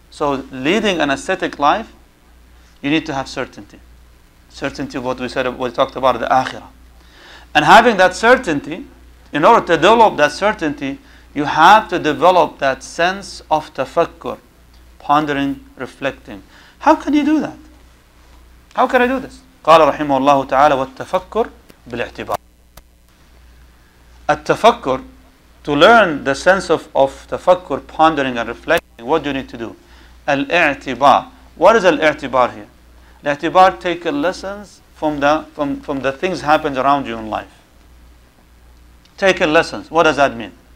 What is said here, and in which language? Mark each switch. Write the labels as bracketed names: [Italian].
[English] So leading an ascetic life, you need to have certainty. Certainty of what we said, what we talked about, the Akhirah. And having that certainty, in order to develop that certainty, you have to develop that sense of tafakkur, pondering, reflecting. How can you do that? How can I do this? [Arabic] قال رحمه الله تعالى والتفكر بالاعتبار. [English] التفكر, to learn the sense of tafakkur, pondering and reflecting, what do you need to do? [Arabic] الاعتبار. [English] What is الاعتبار here? الاعتبار, take lessons from the things happens around you in life. Take lessons. What does that mean?